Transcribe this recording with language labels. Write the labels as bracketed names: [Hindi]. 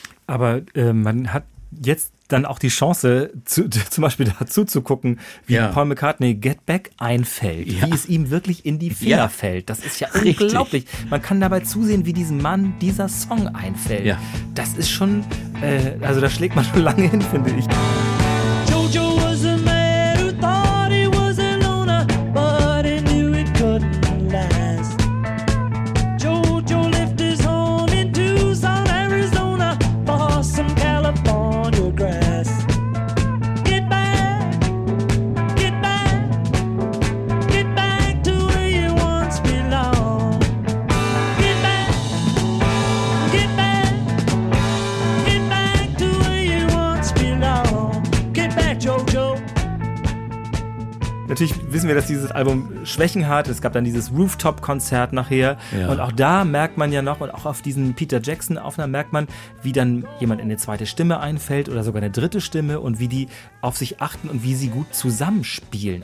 [German] Aber man hat jetzt dann auch die Chance, zum Beispiel dazu zu gucken, wie Paul McCartney Get Back einfällt, wie es ihm wirklich in die Finger fällt. Das ist ja unglaublich. Man kann dabei zusehen, wie diesem Mann dieser Song einfällt. Ja. Das ist schon, also da schlägt man schon lange hin, finde ich. [English] Jojo was a man who thought he was a loner, but he knew it couldn't last. Jojo left his home in Tucson, Arizona, for some California grass. Get back, get back, get back to where you once belonged. Get back, get back, get back to where you once belonged. Get back, Jojo. [German] Natürlich wissen wir, dass dieses Album Schwächen hat. Es gab dann dieses Rooftop-Konzert nachher. Ja. Und auch da merkt man ja noch, und auch auf diesen Peter Jackson-Aufnahmen merkt man, wie dann jemand eine zweite Stimme einfällt oder sogar eine dritte Stimme und wie die auf sich achten und wie sie gut zusammenspielen.